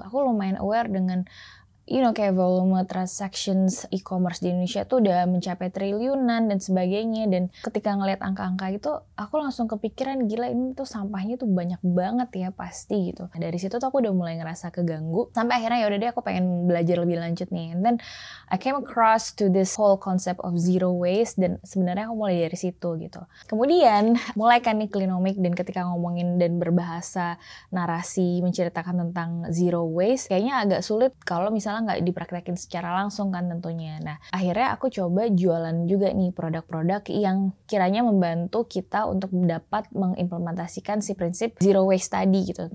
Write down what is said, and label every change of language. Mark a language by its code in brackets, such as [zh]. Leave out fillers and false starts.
[id] Aku lumayan aware dengan, [en] you know, [id] kayak [en] volume transactions [id] e-commerce di Indonesia tuh udah mencapai triliunan dan sebagainya. Dan ketika ngeliat angka-angka itu, aku langsung kepikiran, gila ini tuh sampahnya tuh banyak banget ya pasti gitu. Nah, dari situ tuh aku udah mulai ngerasa keganggu. Sampai akhirnya ya udah deh aku pengen belajar lebih lanjut nih. [en] And then I came across to this whole concept of zero waste. [id] Dan sebenarnya aku mulai dari situ gitu. Kemudian mulai kan nih Klinomic, dan ketika ngomongin dan berbahasa narasi menceritakan tentang zero waste, kayaknya agak sulit kalau misalnya nggak dipraktekin secara langsung kan tentunya. Nah, akhirnya aku coba jualan juga nih produk-produk yang kiranya membantu kita untuk dapat mengimplementasikan si prinsip zero waste tadi gitu.